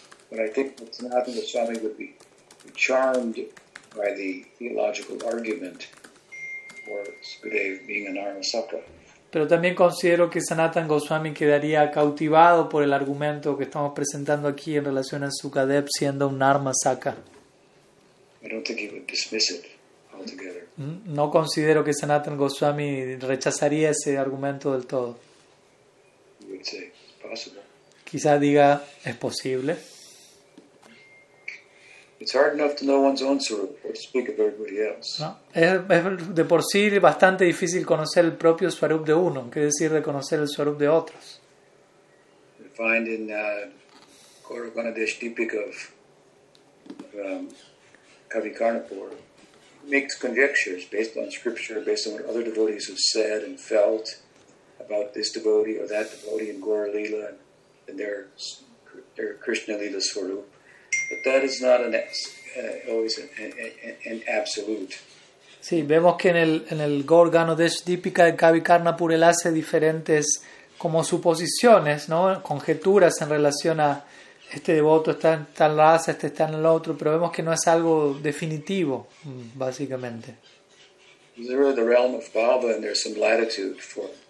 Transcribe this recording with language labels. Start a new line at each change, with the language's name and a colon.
English: But I think that Sanatana Goswami would be charmed by the theological argument for Sukadeva being an Arhatsaka.
Spanish: Pero también considero que Sanatana Goswami quedaría cautivado por el argumento que estamos presentando aquí en relación a Sukadeva siendo un Arhatsaka.
English: I don't think he would dismiss it altogether.
Spanish: No considero que Sanatana Goswami rechazaría ese argumento del todo.
English: He would say, it's possible.
Spanish: Quizá diga, es posible.
English: It's hard enough to know one's own Swarup, or to speak of everybody else.
Spanish: No, es de por sí bastante difícil conocer el propio Swarup de uno, que decir de conocer el Swarup de otros.
English: We find in Gauravanadesh Deepika of Kavi Karnapur, he makes conjectures based on scripture, based on what other devotees have said and felt about this devotee or that devotee in Gaura Lila and their Krishna Lila Swarup. But that is not always an absolute.
Spanish: Sí, vemos que en el Gaura Ganadesh Deepika de Kavi Karnapur él hace diferentes como suposiciones, ¿no? Conjeturas en relación a este devoto está en tal raza, este está en el otro, pero vemos que no es algo definitivo, básicamente.
English: Is there the realm of Bhava and there's some latitude for?